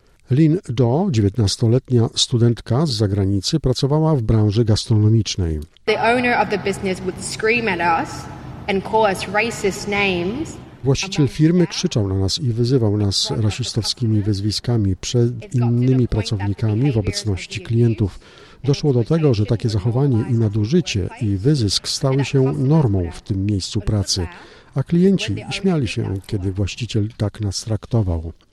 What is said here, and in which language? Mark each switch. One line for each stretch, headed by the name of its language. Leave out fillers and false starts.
Polish: Lynn Daw, 19-letnia studentka z zagranicy, pracowała w branży gastronomicznej.
English: The owner of the business would scream at us and call us racist names.
Polish: Właściciel firmy krzyczał na nas i wyzywał nas rasistowskimi wyzwiskami przed innymi pracownikami w obecności klientów. Doszło do tego, że takie zachowanie i nadużycie i wyzysk stały się normą w tym miejscu pracy, a klienci śmiali się, kiedy właściciel tak nas traktował.